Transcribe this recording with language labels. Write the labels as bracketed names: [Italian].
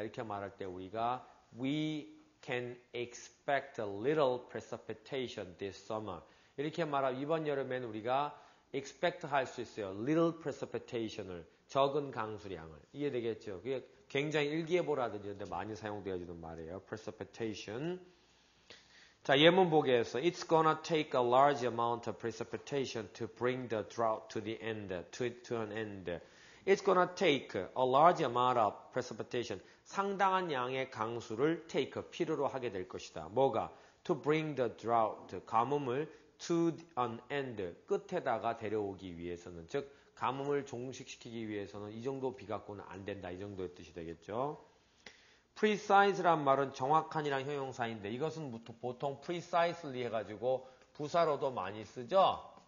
[Korean] 이렇게 말할 때 우리가 [English] we can expect a little precipitation this summer. [Korean] 이렇게 말하면 이번 여름에는 우리가 expect 할 수 있어요. [English] little precipitation [Korean] 을. 적은 강수량을. 이해되겠죠? 그게 굉장히 일기예보라든지 이런 데 많이 사용되어지는 말이에요. precipitation. 자, 예문 보게에서 [English] it's gonna take a large amount of precipitation to bring the drought to the end, to an end. It's gonna take a large amount of precipitation. [Korean] 상당한 양의 강수를 take, 필요로 하게 될 것이다. 뭐가? [English] To bring the drought, [Korean] 가뭄을 [English] to an end, [Korean] 끝에다가 데려오기 위해서는. 즉, 가뭄을 종식시키기 위해서는 이 정도 비 갖고는 안 된다. 이 정도의 뜻이 되겠죠. precise란 말은 정확한이란 형용사인데 이것은 보통 precisely 해가지고 부사로도 많이 쓰죠.